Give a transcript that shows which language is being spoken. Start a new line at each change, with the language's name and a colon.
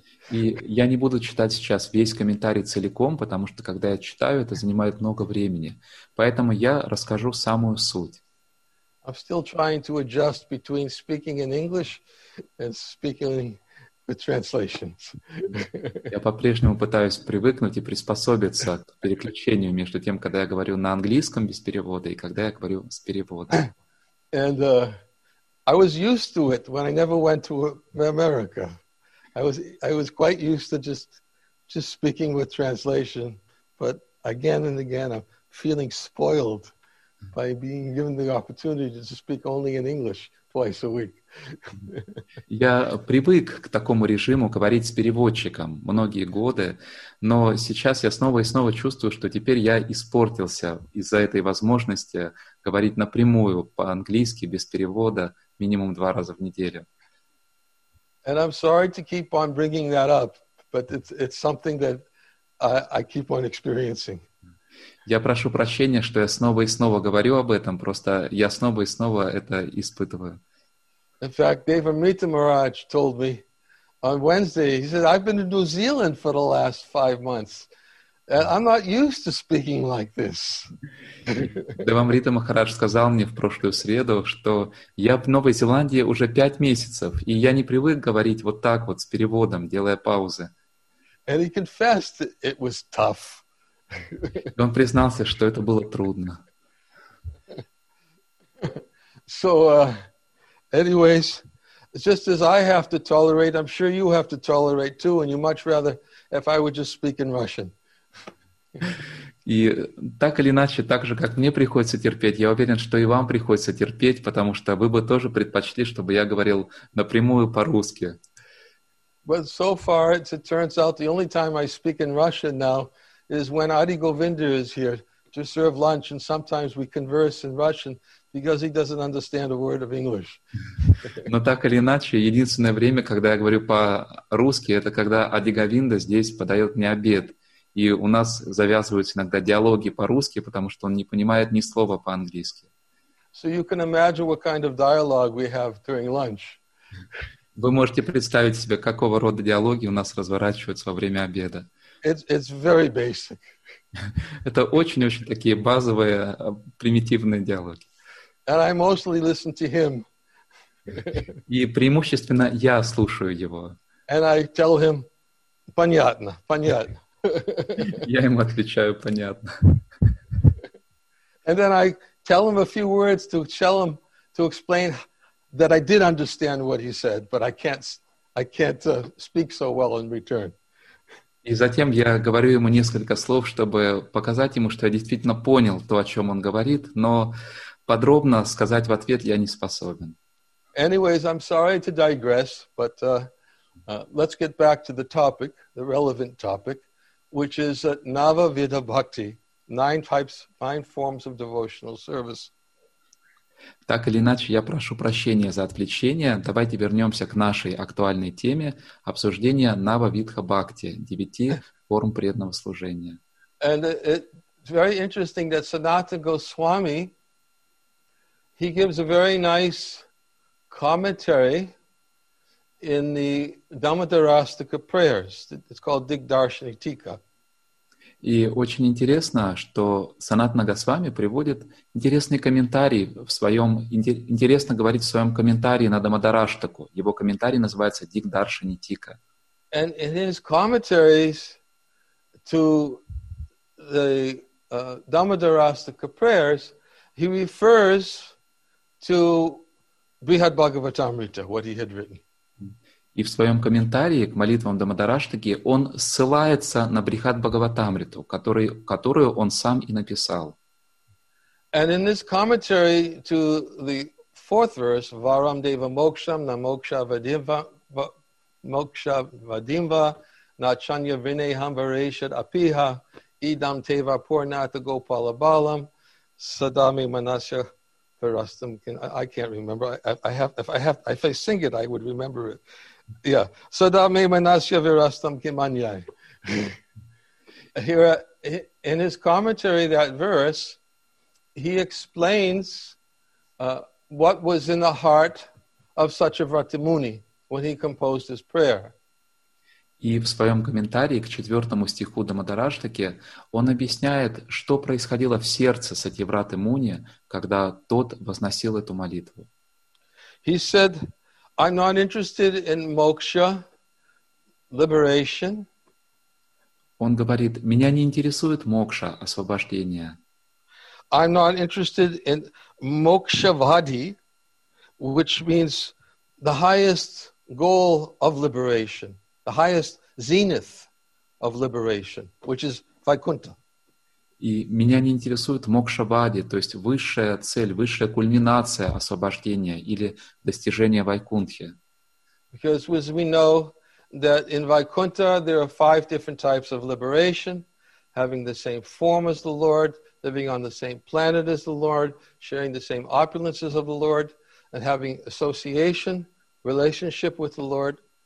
Russian: И я не буду читать сейчас весь комментарий целиком, потому что когда я читаю, это занимает много времени. Поэтому я расскажу самую суть.
English: I'm still trying to adjust between speaking in English and speaking in translations.
Russian: Я по-прежнему пытаюсь привыкнуть и приспособиться к переключению между тем, когда я говорю на английском без перевода, и когда я говорю с переводом.
English: And I was used to it when I never went to America. I was quite used to just speaking with translation, but again and again I'm feeling spoiled by being given the opportunity to speak only in English twice a week.
Russian: Я привык к такому режиму говорить с переводчиком многие годы, но сейчас я снова и снова чувствую, что теперь я испортился из-за этой возможности говорить напрямую по-английски без перевода минимум два раза в неделю.
English: And I'm sorry to keep on bringing that up, but it's something that I keep on experiencing.
Russian: Я прошу прощения, что я снова и снова говорю об этом, просто я снова и снова это испытываю.
English: In fact, Devamrita Maharaj told me on Wednesday, he said, I've been in New Zealand for the last 5 months. And I'm not used to speaking like this.
Russian: Девамрита Махарадж сказал мне в прошлую среду, что я в Новой Зеландии уже 5 месяцев, и я не привык говорить вот так вот с переводом, делая паузы.
English: And he confessed it was tough.
Russian: И он признался, что это было трудно.
English: So, anyways, just as I have to tolerate, I'm sure you have to tolerate too, and you much rather if I would just speak in Russian.
Russian: И так или иначе, так же, как мне приходится терпеть, я уверен, что и вам приходится терпеть, потому что вы бы тоже предпочли, чтобы я говорил напрямую по-русски.
English: But so far, as it turns out, the only time I speak in Russian now is when Adi Govinda is here to serve lunch, and sometimes we converse in Russian because he doesn't understand a word of English.
Russian: Но так или иначе, единственное время, когда я говорю по-русски, это когда Ади Говинда здесь подает мне обед. И у нас завязываются иногда диалоги по-русски, потому что он не понимает ни слова по-английски.
English: So you can imagine what kind of dialogue we have during lunch.
Russian: Вы можете представить себе, какого рода диалоги у нас разворачиваются во время обеда.
English: It's very basic.
Russian: Это очень-очень такие базовые, примитивные диалоги.
English: And I mostly listen to him.
Russian: И преимущественно я слушаю его.
English: And I tell him,
Russian: понятно, понятно. Я ему отвечаю, понятно.
English: And then I tell him a few words to tell him to explain that I did understand what he said, but I can't speak so well in return.
Russian: И затем я говорю ему несколько слов, чтобы показать ему, что я действительно понял то, о чем он говорит, но подробно сказать в ответ я не способен.
English: Anyways, I'm sorry to digress, but let's get back to the topic, the relevant topic, which is Nava Vida Bhakti, nine forms of devotional service.
Russian: Так или иначе, я прошу прощения за отвлечение. Давайте вернемся к нашей актуальной теме обсуждения Нава Видха Бхакти, девяти форм преданного служения.
English: And it's very interesting that Sanatana Goswami, he gives a very nice commentary in the Dhammadharastika prayers. It's called Digdarshini Tika.
Russian: И очень интересно, что Санатана Госвами приводит интересный комментарий в своем, интересно говорить в своем комментарии на Дамодараштаку. Его комментарий называется Дигдаршини Тика.
English: And in his commentaries to the Дамодараштака prayers, he refers to Brihad Bhagavatamrita, what he had written.
Russian: И в своем комментарии к молитвам Дамодараштаки он ссылается на Брихат Бхагаватамриту, которую он сам и написал.
Sanskrit: And in this commentary to the fourth verse, Varam Deva Moksham na Moksha Vadimva na Chanya Vineham Vareshad Apiha Idam Teva Purnata Gopala Balam Sadami Manasya Parastam.
English: I can't remember. If I sing it, I would remember it. Yeah,
Sanskrit: Sadame Manasya Virastam Kimanyai.
English: Here, in his commentary, that verse, he explains what was in the heart of Satyavrata Muni when he composed his prayer.
Russian: И в своем комментарии к четвертому стиху Дамодараштаки он объясняет, что происходило в сердце Сатьевраты Муни, когда тот возносил эту молитву.
English: He said, I'm not interested in moksha, liberation.
Russian: Он говорит, меня не интересует мокша, освобождение.
English: I'm not interested in mokshavadi, which means the highest goal of liberation, the highest zenith of liberation, which is Vaikuntha.
Russian: И меня не интересует мокшавади, то есть высшая цель, высшая кульминация освобождения или достижения Вайкунтхи.
English: Because as we know that in Vaikuntha there are five different types of liberation: having the same form as the Lord, living on the same planet as the Lord, sharing the same opulences of the Lord, and having association, relationship with the Lord.